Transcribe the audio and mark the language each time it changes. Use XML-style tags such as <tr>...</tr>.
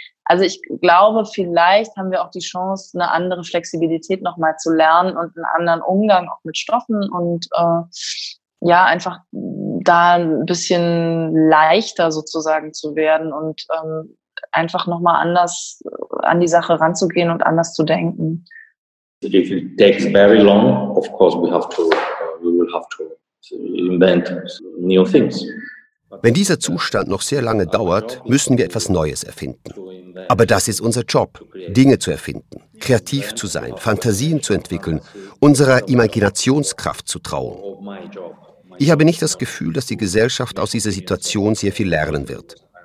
<de>Also ich glaube, vielleicht haben wir auch die Chance, eine andere Flexibilität nochmal zu lernen und einen anderen Umgang auch mit Stoffen und ja, einfach da ein bisschen leichter sozusagen zu werden und einfach nochmal anders an die Sache ranzugehen und anders zu denken.</de> <en>If it takes very long, of course we have to, we will have to invent new things.</en> <de>Wenn dieser Zustand noch sehr lange dauert, müssen wir etwas Neues erfinden. Aber das ist unser Job, Dinge zu erfinden, kreativ zu sein, Fantasien zu entwickeln, unserer Imaginationskraft zu trauen. Ich habe nicht das Gefühl, dass die Gesellschaft aus dieser Situation sehr viel lernen wird.</de>